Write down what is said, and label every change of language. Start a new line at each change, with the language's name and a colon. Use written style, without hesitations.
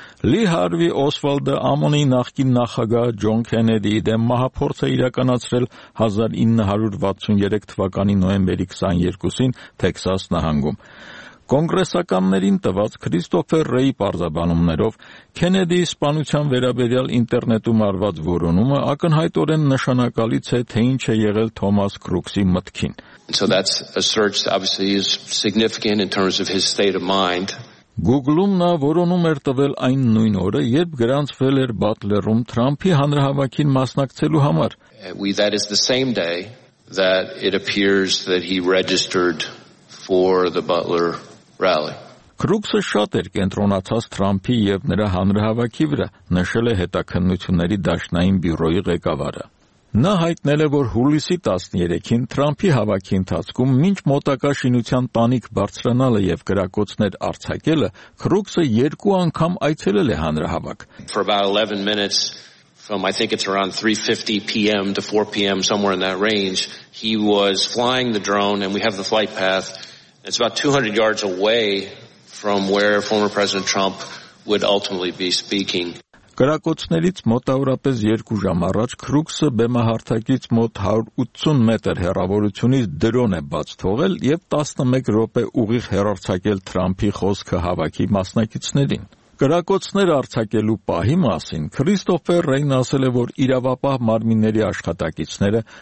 Armenian: Լի Հարվի Օսվալդը ԱՄՆ-ի նախկին նախագահ Ջոն Քենեդիի դեմ մահապորձը իրականացրել 1963 թվականի նոյեմբերի 22-ին Թեքսաս նահանգում։ Կոնգրեսականներին տված Քրիստոֆեր Ռեյի պարզաբանումներով Քենեդիի սպանության վերաբերյալ ինտերնետում արված որոնումը ակնհայտորեն նշանակալից է, թե ինչ է եղել Թոմաս Քրուքսի մտքին։
English: So that's a search obviously is significant in terms of his state of mind.
Armenian: Google-ում նա որոնում էր տվել այն նույն օրը, երբ գրանցվել էր Բատլերում Թրամփի հանրահավաքին մասնակցելու համար։
English: That is the same day that it appears that he registered for the Butler rally.
Armenian: Քրուքսը շատ էր կենտրոնացած Թրամփի եւ նրա հանրահավաքի վրա, նշել է հետաքննությունների դաշնային բյուրոյի ղեկավարը։ Նա հայտնել է, որ հուլիսի 13-ին Թրամփի հավաքի ընթացքում մինչ մոտակա շինության տանիք բարձրանալը եւ գրակոչներ արձակելը, Քրուքսը երկու անգամ այցելել է հանրահավաք։
English: For about 11 minutes from I think it's around 3:50 p.m. to 4 p.m. somewhere in that range, he was flying the drone and we have the flight path. It's about 200 yards away from where former President Trump would ultimately be speaking.
Armenian: Կրակոցներից մոտավորապես 2 ժամ առաջ Քրուքսը բեմահարթակից մոտ 180 մետր հեռավորությունից դրոն է բաց թողել եւ 11 րոպե ուղիղ հեռարձակել Թրամփի խոսքը հավաքի մասնակիցներին։ Կրակոցներ արձակելու պահի մասին Քրիստոֆեր Ռեյն ասել է, որ իրավապահ մարմինների աշխատակիցները